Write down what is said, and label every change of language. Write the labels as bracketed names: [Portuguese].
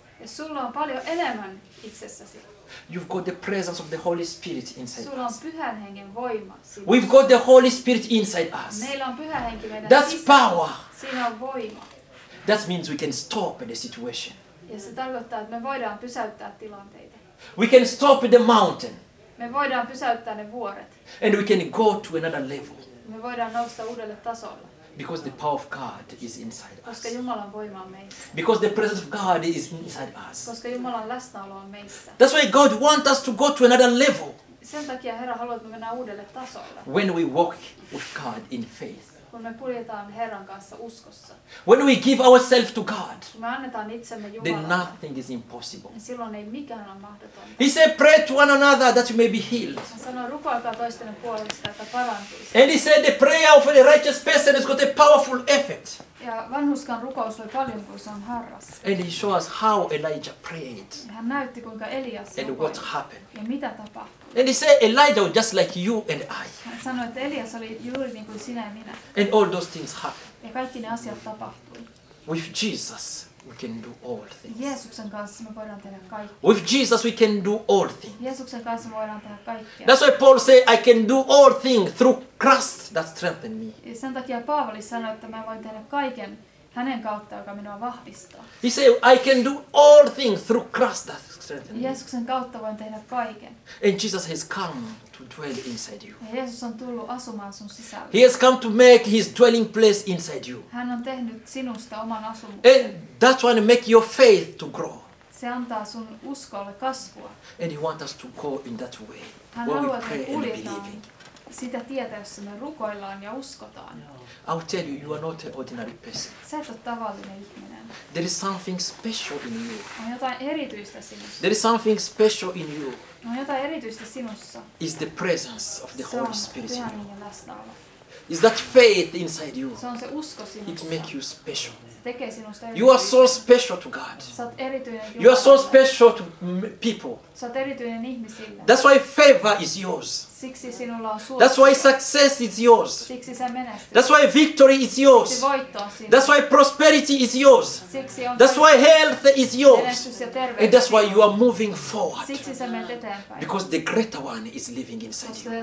[Finnish] Ja sulla on paljon enemmän itsessäsi. [English] You've got the presence of the Holy Spirit inside. [Finnish] Sulla on Pyhän Hengen voima. [English] We've got the Holy Spirit inside us. [Finnish] Meillä on Pyhä Henki meidän sisällä. [English] That's power. [Finnish] Siinä on voima. [English] That means we can stop the situation. [Finnish] Ja se tarkoittaa, että me voidaan pysäyttää tilanteita. [English] We can stop the mountain. [Finnish] Me voidaan pysäyttää ne vuoret. [English] And we can go to another level. [Finnish] Me voidaan nousta uudelle tasolle. [English] Because the power of God is inside us. [Finnish] Koska Jumalan voima on meissä. [English] Because the presence of God is inside us. [Finnish] Koska Jumalan läsnäolo on meissä. [English] That's why God wants us to go to another level. [Finnish] Sen takia Herra haluaa, että me mennään uudelle tasolle. [English] When we walk with God in faith. [Finnish] Kun me puljetaan Herran kanssa uskossa. [English] When we give ourselves to God. [Finnish] Kun me annetaan itsemme Jumalalle. [English] Then nothing is impossible. [Finnish] Silloin ei mikään ole mahdotonta. [English] He said, pray to one another that you may be healed. [Finnish] Hän sanoi, rukoilkaa toistenne puolesta, että parantuisi. [English] And he said, the prayer of a righteous person has got a powerful effect. [Finnish] Ja vanhuskan rukous oli paljon, kun se on harras. [English] And he showed us how Elijah prayed. [Finnish] Hän näytti, kuinka Elias rukoi. [English] And what happened. [Finnish] Ja mitä tapahtui. [English] And he said, Elijah was just like you and I. [Finnish] Hän sanoi, että Elias oli juuri niin kuin sinä ja minä. [English] And all those things happened. [Finnish] Ja kaikki ne asiat tapahtui. [English] With Jesus, we can do all things. [Finnish] Jeesuksen kanssa me voidaan tehdä kaikkea. [English] With Jesus, we can do all things. [Finnish] Jeesuksen kanssa me voidaan tehdä kaikkea. [English] That's why Paul said, I can do all things through Christ that strengthened me. [Finnish] Ja sen takia Paavali sanoi, että mä voin tehdä kaiken hänen kautta, joka minua vahvistaa. [English] He said, I can do all things through Christ that [Finnish] Jeesuksen kautta voin tehdä kaiken. [English] And Jesus has come to dwell inside you. [Finnish] Jeesus on tullut asumaan sun sisällä. [English] He has come to make his dwelling place inside you. [Finnish] Hän on tehnyt sinusta oman asumuksen. [English] And that's why make your faith to grow. [Finnish] Se antaa sun uskolle kasvua. [English] And he wants us to go in that way. [Finnish] Hän haluaa, että me kuljetaan sitä tietä, jossa me rukoillaan ja uskotaan. [English] I will tell you, you are not an ordinary person. [Finnish] Sä et ole tavallinen ihminen. [English] There is something special in you. [Finnish] On jotain erityistä sinussa. [English] There is something special in you. [Finnish] On jotain erityistä sinussa. [English] Is the presence of the Holy Spirit in you. [Finnish] Läsnäolo. [English] Is that faith inside you. [Finnish] Se on se usko sinussa. [English] It makes you special. [Finnish] Se tekee sinusta erityisen. [English] You are so special to God. [Finnish] Sä oot erityinen Jumalalle. [English] You are so special to people. [Finnish] Sä oot erityinen ihmisille. [English] That's why favor is yours. [Finnish] Siksi sinulla on suosio. [English] That's why success is yours. [Finnish] Siksi sä menestyt. [English] That's why victory is yours. [Finnish] Siksi voitto on sinun. [English] That's why prosperity is yours. [Finnish] Siksi on. [English] That's why health is yours. [Finnish] Menestys ja terveys. [English] And that's why you are moving forward. [Finnish] Siksi sä menet eteenpäin. [English] Because the greater one is living inside you.